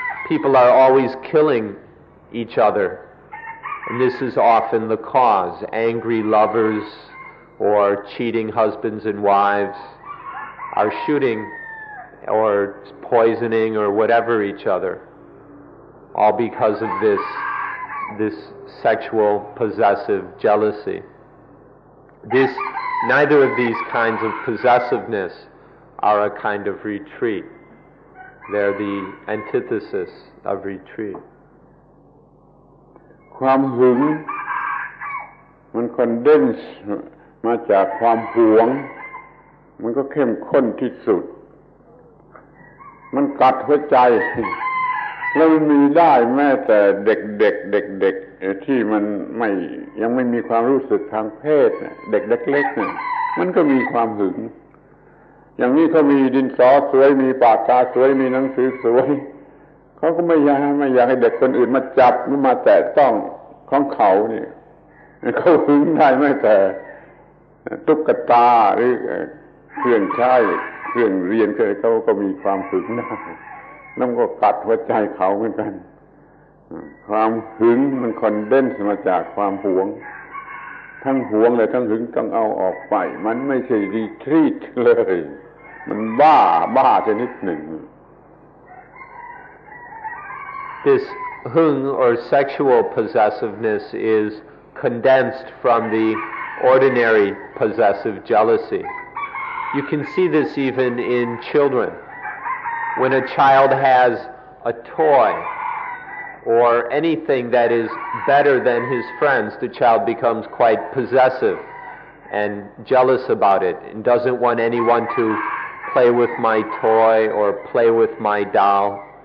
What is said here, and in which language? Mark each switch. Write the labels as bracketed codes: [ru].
[en] People are always killing each other. And this is often the cause, angry lovers or cheating husbands and wives are shooting or poisoning or whatever each other, all because of this sexual possessive jealousy. Neither of these kinds of possessiveness are a kind of retreat. They're the antithesis of retreat. [th] ความหึงมันคอนเดนส์มาจากความหวงมันก็เข้มข้นที่สุดมันกัดหัวใจแล้วมีได้แม้แต่เด็กที่มันไม่ยังไม่มีความรู้สึกทางเพศเด็กเล็กๆเนี่ยมันก็มีความหึง อย่างนี้เขามีดินสอสวยมีปากกาสวยมีหนังสือสวยเขาก็ไม่อยากให้เด็กคนอื่นมาจับมาแตะต้องของเขาเนี่ยเขาหึงได้ไม่แต่ ตุ๊กตาหรือเครื่องใช้เครื่องเรียนเขาก็มีความหึงได้แล้วก็ตัดหัวใจเขาเหมือนกันความหึงมันคอนเดนส์มาจากความหวงทั้งหวงและทั้งหึงต้องเอาออกไปมันไม่ใช่รีทรีทเลยมันบ้าชนิดหนึ่ง [en] This hung or sexual possessiveness is condensed from the ordinary possessive jealousy. You can see this even in children. When a child has a toy or anything that is better than his friends, the child becomes quite possessive and jealous about it and doesn't want anyone to play with my toy or play with my doll.